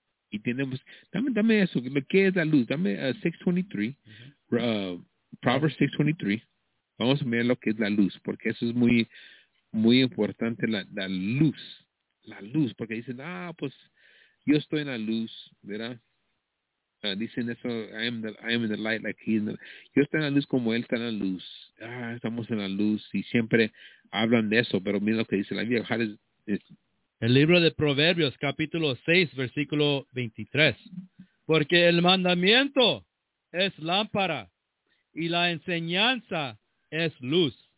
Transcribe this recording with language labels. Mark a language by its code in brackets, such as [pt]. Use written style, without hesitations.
[es] Y tenemos, dame eso, ¿qué es la luz? Dame 623, Proverbs 623. Vamos a mirar lo que es la luz, porque eso es muy, muy importante, la luz. La luz, porque dicen, pues yo estoy en la luz, ¿verdad? Dicen eso, [en] I am in the light like he is in the light. [es] Yo estoy en la luz como él está en la luz. Estamos en la luz y siempre hablan de eso, pero mira lo que dice la Biblia. El libro de Proverbios, capítulo 6, versículo 23. Porque el mandamiento es lámpara y la enseñanza es luz.